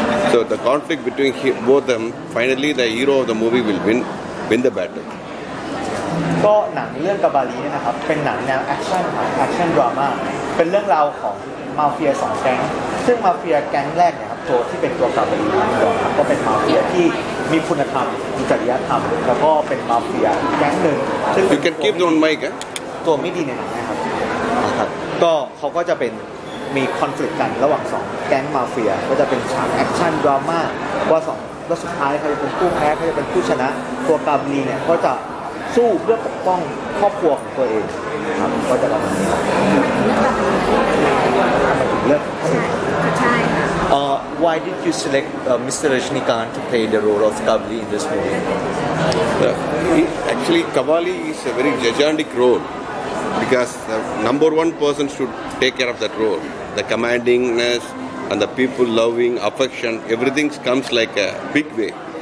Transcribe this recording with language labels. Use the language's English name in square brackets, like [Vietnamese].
[English] So the conflict between both them. Finally, the hero of the movie will win the battle. [Thai] ก็หนังเรื่องกับบาลีนะครับเป็นหนังแนวแอคชั่นครับแอคชั่นดราม่าเป็นเรื่องราวของมาเฟียสองแก๊งซึ่งมาเฟียแก๊งแรกนะครับตัวที่เป็นตัวกับบาลีก่อนก็เป็นมาเฟียที่มีคุณธรรมมีจริยธรรมแล้วก็เป็นมาเฟียแก๊งหนึ่งซึ่ ง คุณ [English] can keep on mic [Thai] ตัวไม่ดีในหนังนะครับก็เขาก็จะเป็นมีคอนฟลิกต์กันระหว่างสองแก๊งมาเฟียก็จะเป็นฉากแอคชั่นดราม่าว่าสองแล้วสุดท้ายเขาจะเป็นผู้แพ้เขาจะเป็นผู้ชนะตัวกาบลีเนี่ยก็จะสู้เพื่อปกป้องครอบครัวของตัวเองครับก็จะประมาณนี้ครับมาถึงเรื่อง ใช่ค่ะ [English] Why did you select Mr. Rajnikanth to play the role of Kabali in this movie? Actually, Kabali is a very gigantic role because the number one person should take care of that role, the commandingness. And the people loving, affection, everything comes like a big way.